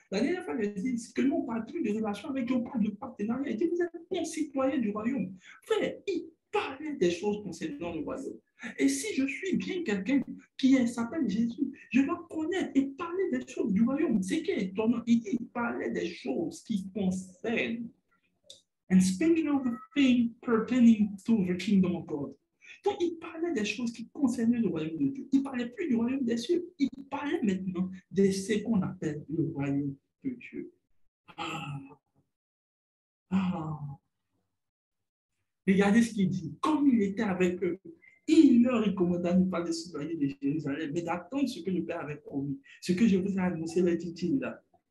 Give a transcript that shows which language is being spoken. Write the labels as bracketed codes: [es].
[fr] La dernière fois, il dit, c'est que nous, on ne parle plus de relations avec Dieu, on parle de partenariat. Il dit, vous êtes bon citoyen du royaume. Frère, il parlait des choses concernant le royaume. Et si je suis bien quelqu'un qui s'appelle Jésus, je dois connaître et parler des choses du royaume. C'est qui est étonnant. Il dit, il parlait des choses qui concernent. [en] And speaking of things pertaining to the kingdom of God. [fr] Donc, il parlait des choses qui concernaient le royaume de Dieu. Il ne parlait plus du royaume des cieux. Il parlait maintenant de ce qu'on appelle le royaume de Dieu. Regardez ce qu'il dit. Comme il était avec eux. Il leur recommanda de ne pas se soigner de Jérusalem, mais d'attendre ce que le Père avait promis, ce que je vous ai annoncé, là, dit-il. Là.